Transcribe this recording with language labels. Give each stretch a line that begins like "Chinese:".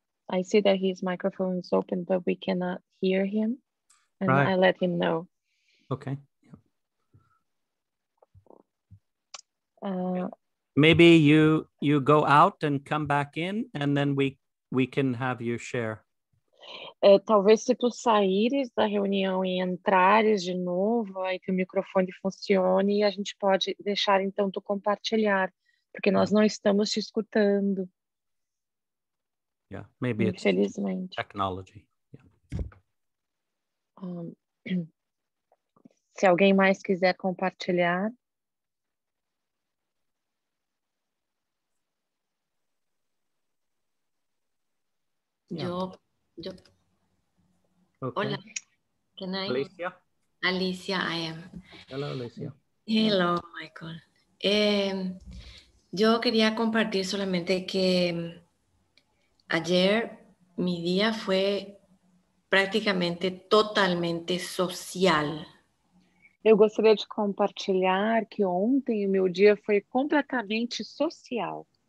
English: I see that his microphone is open, but we cannot hear him. And right. I let him know. Okay. Maybe you go out and come back in, and then we can have you share.
Portuguese: Talvez se tu saíres da reunião e entrares de novo, aí que o microfone funcione, e a gente pode deixar, então, tu compartilhar, porque nós não estamos te escutando.
English: Yeah, maybe it's technology. Yeah.
Portuguese: Se alguém mais quiser compartilhar, Yo.
English: Okay.
Spanish: Hola.
English: Can I? Alicia. Alicia, I am. Hello, Alicia. Hello, Michael.
Spanish: Yo quería compartir solamente que ayer mi día fue prácticamente totalmente social.
Portuguese: Eu gostaria de compartilhar que ontem o meu dia foi completamente social.